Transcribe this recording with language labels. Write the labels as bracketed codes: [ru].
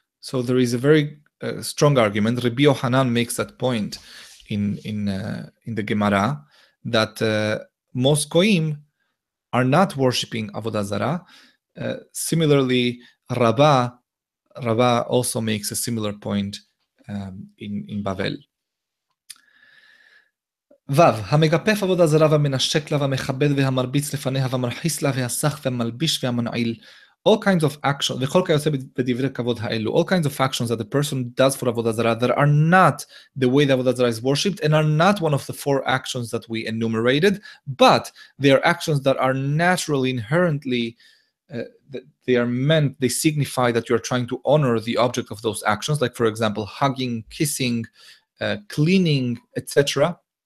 [en] So there is a very strong argument. Rabbi Yohanan makes that point in the Gemara that most goyim are not worshiping Avodah Zarah. Similarly, Rabbah also makes a similar point in Bavel. [he] וו, המגפף עבודה זרה והמנשק לה והמכבד והמרביץ לפניה והמרחיס לה והסך והמלביש והמנעיל. [en] All kinds of actions, וכל כיוצא בדברי כבוד האלו, all kinds of actions that the person does for עבודה זרה that are not the way that עבודה זרה is worshipped and are not one of the four actions that we enumerated, but they are actions that are naturally, inherently, they are meant, they signify that you are trying to honor the object of those actions, like for example, hugging, kissing, cleaning, etc.